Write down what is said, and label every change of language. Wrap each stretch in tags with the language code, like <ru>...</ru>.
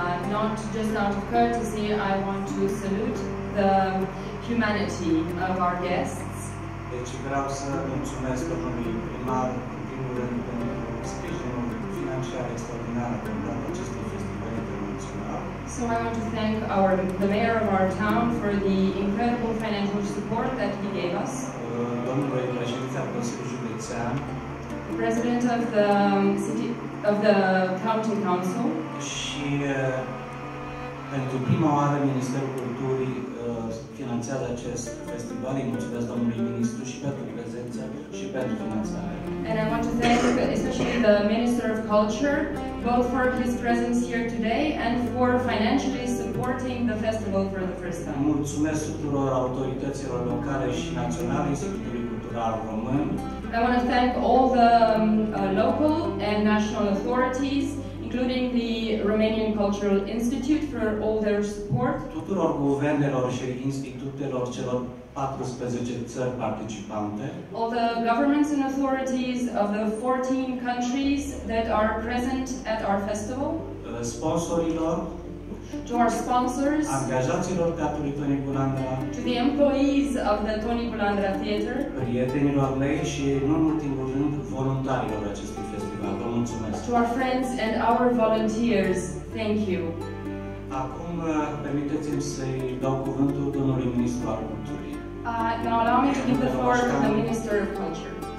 <en>Not just out of courtesy, I want to salute the humanity of our guests.</en> <ro>Deci vreau să mulțumesc domnului primar, în primul rând, pentru sprijinul financiar extraordinar acordat acestui festival internațional.</ro> <en>So I want to thank the mayor of our town for the incredible financial support that he gave us.</en> <ro>Domnului președinte Consiliul Județean.</ro> <en>The president of the city of the county council.</en> <ro>Și pentru prima oară Ministerul Culturii finanțează acest festival. Îi mulțumesc domnului ministru și pentru prezență și pentru finanțare.</ro> <en>And I want to thank especially the Minister of Culture both for his presence here today and for financially supporting the festival for the first time.</en> <ro>Mulțumesc tuturor autorităților locale și naționale Institutului Cultural Român.</ro> <en>I want to thank all the local and national authorities, including the Romanian Cultural Institute, for all their support.</en> <ro>Tuturor guvernelor și institutelor celor 14 țări participante.</ro> <en>All the governments and authorities of the 14 countries that are present at our festival.</en> <ro>Sponsorilor.</ro> <en>To our sponsors.</en> <ro>Angajaților Teatrului Toni Bulandra.</ro> <en>To the employees of the Toni Bulandra Theater.</en> <ro>Prietenilor mei și, nu în ultimul rând, voluntarilor acestui festival. Vă mulțumesc.</ro> <en>To our friends and our volunteers. Thank you.</en> <ro>Acum, permiteți-mi să-i dau cuvântul domnului ministru al culturii.</ro> <en>Now allow me to give the floor to the Minister of Culture.</en>